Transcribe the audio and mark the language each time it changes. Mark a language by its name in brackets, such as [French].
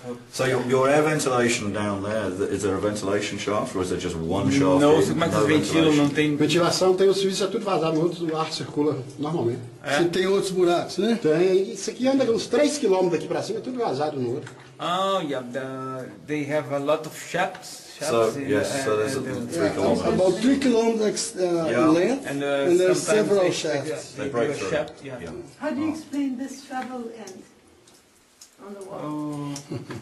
[English] So your air ventilation down there, is there a ventilation shaft or is there just one shaft? [Portuguese] No, como é que ventila? Não tem. Ventilação tem, o serviço é tudo vazado, outros, o ar circula normalmente. É? Você tem outros buracos, né? Tem. Isso aqui anda uns 3 km daqui para cima, é tudo vazado no outro. [English] Oh, yeah, they have a lot of shafts. So there's about 3 kilometers length, and there's several shafts. They break through. Yeah. How do you explain this travel end on the wall?